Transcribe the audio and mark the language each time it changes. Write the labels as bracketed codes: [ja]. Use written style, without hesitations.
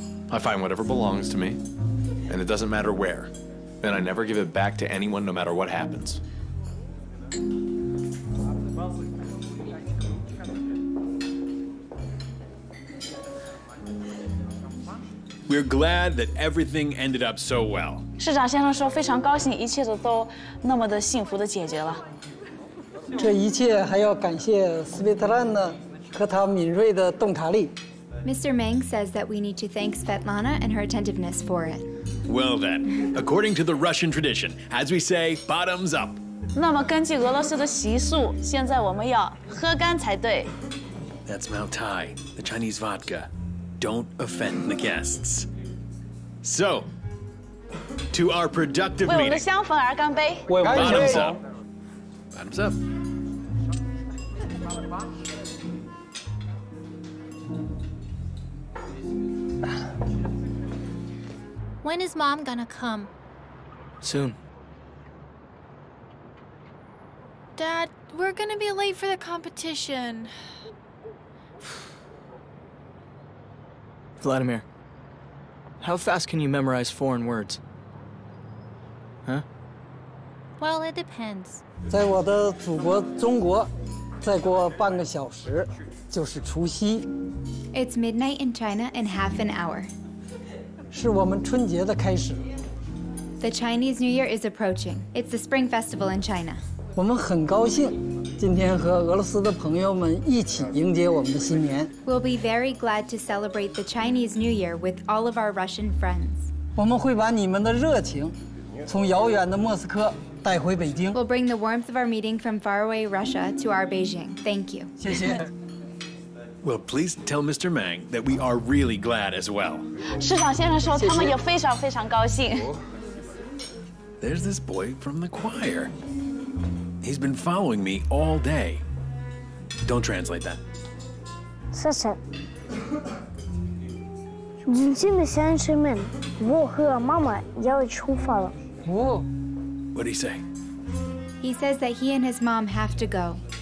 [en] I find whatever belongs to me, and it doesn't matter where, and I never give it back to anyone no matter what happens. We're glad that everything ended up so well. [zh] 市长先生说非常高兴一切都那么的幸福地解决了。这一切还要感谢斯维特兰呢。 [en] Mr. Meng says that we need to thank Svetlana and her attentiveness for it. Well then, according to the Russian tradition, as we say, bottoms up. [zh] 那么根据俄罗斯的习俗，现在我们要喝干才对。 [en] That's Moutai, the Chinese vodka. Don't offend the guests. So, to our productive meeting. [zh] 为我们的香粉而干杯。 [en] Bottoms up. When is Mom gonna come? Soon. Dad, we're gonna be late for the competition. Vladimir, how fast can you memorize foreign words? Huh? Well, it depends. [zh] 在我的祖国中国，再过半个小时就是除夕。 [en] It's midnight in China in half an hour. [zh] 是我们春节的开始。 [en] The Chinese New Year is approaching. It's the Spring Festival in China. [zh] 我们很高兴今天和俄罗斯的朋友们一起迎接我们的新年。 [en] We'll be very glad to celebrate the Chinese New Year with all of our Russian friends. [zh] 我们会把你们的热情从遥远的莫斯科带回北京。 [en] We'll bring the warmth of our meeting from faraway Russia to our Beijing. Thank you. [zh] 谢谢。 [en] Well, please tell Mr. Meng that we are really glad as well. [zh] 市长先生说他们也非常非常高兴。 [en] There's this boy from the choir. He's been following me all day. Don't translate that. [zh] 谢谢。尊敬的先生们，我和妈妈要出发了。 [en] What did he say? He says that he and his mom have to go.